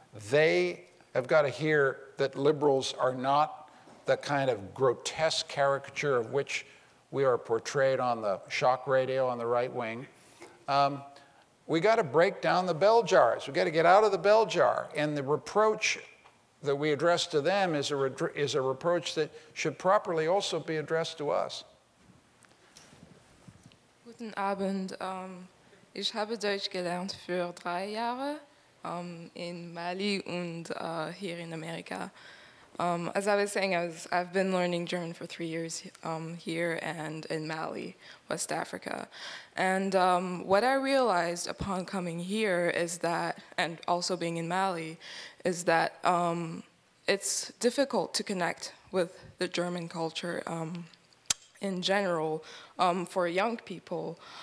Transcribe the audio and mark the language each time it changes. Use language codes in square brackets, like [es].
[en] They have got to hear that liberals are not the kind of grotesque caricature of which we are portrayed on the shock radio on the right wing. We got to break down the bell jars. We got to get out of the bell jar. And the reproach that we address to them is a reproach that should properly also be addressed to us. [de] Guten Abend. Ich habe Deutsch gelernt für 3 Jahre in Mali und [en] here in America. As I was saying, I've been learning German for 3 years here and in Mali, West Africa. And what I realized upon coming here is that, and also being in Mali, is that it's difficult to connect with the German culture in general for young people.